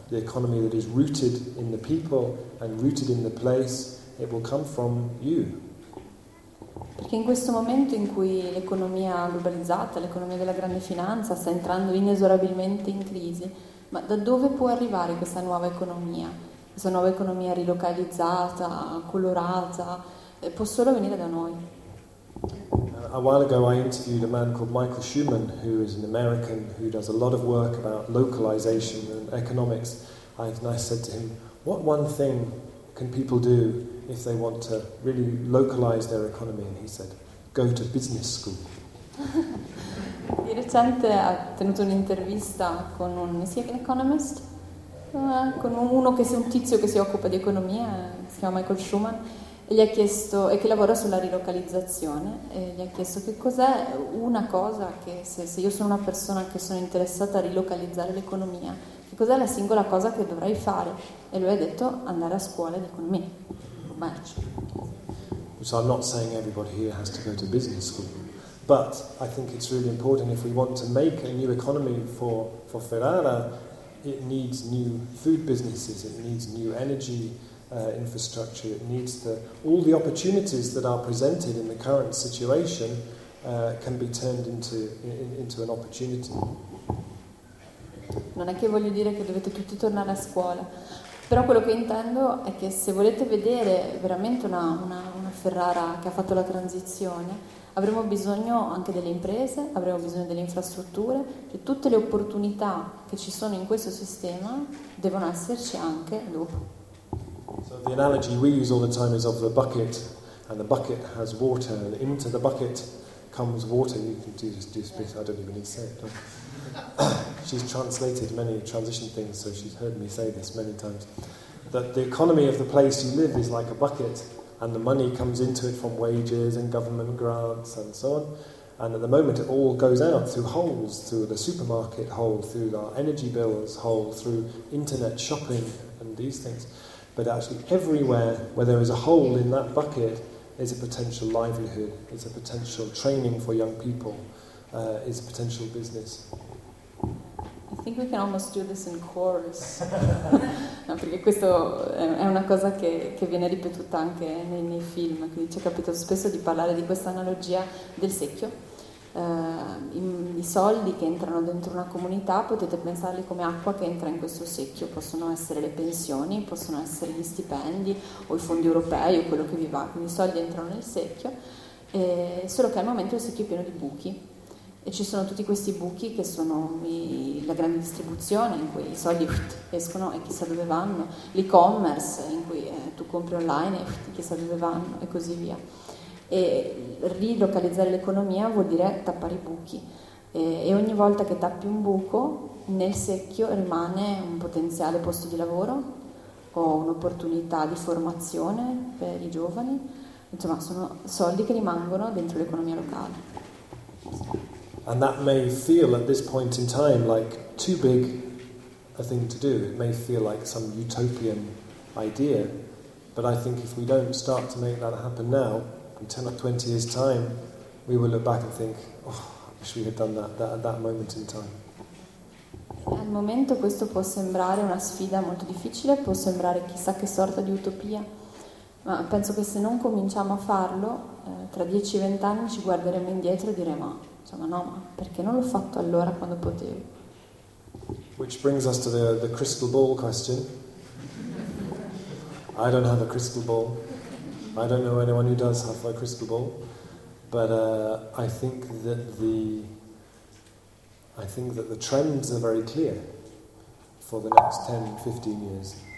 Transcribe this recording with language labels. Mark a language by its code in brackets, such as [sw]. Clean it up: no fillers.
[en] The economy that is rooted in the people and rooted in the place, it will come from you. [it] Perché in questo momento in cui l'economia globalizzata, l'economia della grande finanza sta entrando inesorabilmente in crisi, ma da dove può arrivare questa nuova economia? Questa nuova economia rilocalizzata, colorata, può solo venire da noi. [en] A while ago I interviewed a man called Michael Schumann, who is an American who does a lot of work about localization and economics. And I said to him, what one thing can people do if they want to really localize their economy? And he said, go to business school. [it] Di recente ha tenuto un'intervista con un economist, con uno che è un tizio che si occupa di economia, si chiama Michael Schumann. E gli ha chiesto, e che lavora sulla rilocalizzazione, e gli ha chiesto che cos'è una cosa che se io sono una persona che sono interessata a rilocalizzare l'economia, che cos'è la singola cosa che dovrei fare? E lui ha detto andare a scuola di economia. [en] March. So I'm not saying everybody here has to go to business school, but I think it's really important if we want to make a new economy for Ferrara, it needs new food businesses, it needs new energy infrastructure, it needs all the opportunities that are presented in the current situation can be turned into an opportunity. [it] Non è che voglio dire che dovete tutti tornare a scuola, però quello che intendo è che se volete vedere veramente una Ferrara che ha fatto la transizione, avremo bisogno anche delle imprese, avremo bisogno delle infrastrutture, cioè tutte le opportunità che ci sono in questo sistema devono esserci anche dopo. [en] So the analogy we use all the time is of the bucket, and the bucket has water, and into the bucket comes water. You can do this bit, I don't even need to say it. She's translated many transition things, so she's heard me say this many times, that the economy of the place you live is like a bucket, and the money comes into it from wages and government grants and so on, and at the moment it all goes out through holes, through the supermarket hole, through our energy bills hole, through internet shopping and these things. But actually everywhere where there is a hole in that bucket is a potential livelihood, is a potential training for young people, is a potential business. I think we can almost do this in chorus. [it] No, perché questo è una cosa che viene ripetuta anche nei film, quindi ci è capitato spesso di parlare di questa analogia del secchio. I soldi che entrano dentro una comunità potete pensarli come acqua che entra in questo secchio, possono essere le pensioni, possono essere gli stipendi o i fondi europei o quello che vi va. Quindi i soldi entrano nel secchio, solo che al momento il secchio è pieno di buchi. E ci sono tutti questi buchi che sono la grande distribuzione, in cui i soldi escono e chissà dove vanno, l'e-commerce in cui tu compri online e chissà dove vanno e così via. E rilocalizzare l'economia vuol dire tappare i buchi, e ogni volta che tappi un buco nel secchio rimane un potenziale posto di lavoro o un'opportunità di formazione per i giovani, insomma sono soldi che rimangono dentro l'economia locale. [en] And that may feel at this point in time like too big a thing to do. It may feel like some utopian idea. But I think if we don't start to make that happen now, in 10 or 20 years' time, we will look back and think, oh, I wish we had done that at that moment in time. [it] Al momento questo può sembrare una sfida molto difficile, può sembrare chissà che sorta di utopia. Ma penso che se non cominciamo a farlo, tra 10-20 anni ci guarderemo indietro e diremo, insomma, no, ma perché non l'ho fatto allora quando potevo? [en] Which brings us to the crystal ball question. I don't have a crystal ball. I don't know anyone who does have a crystal ball. But I think that the trends are very clear for the next 10-15 years.